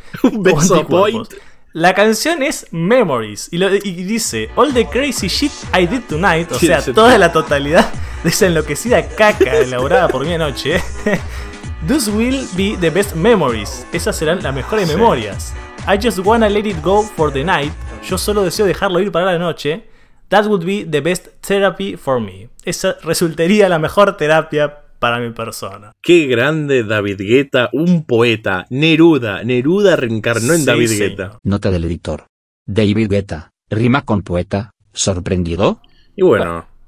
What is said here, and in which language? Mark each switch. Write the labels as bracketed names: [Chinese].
[Spanish] Un beso, point. La canción es Memories y dice [English] All the crazy shit I did tonight. [Spanish] O sea, toda la totalidad de esa enloquecida caca elaborada por mi anoche. [English] Those will be the best memories. [Spanish] Esas serán las mejores memorias. [English] I just wanna let it go for the night. [Spanish] Yo solo deseo dejarlo ir para la noche. [English] That would be the best therapy for me. [Spanish] Esa resultaría la mejor terapia para mi persona. Qué grande David Guetta, un poeta. Neruda reencarnó en David Guetta. Nota del editor. David Guetta, rima con poeta. ¿Sorprendido? Y bueno.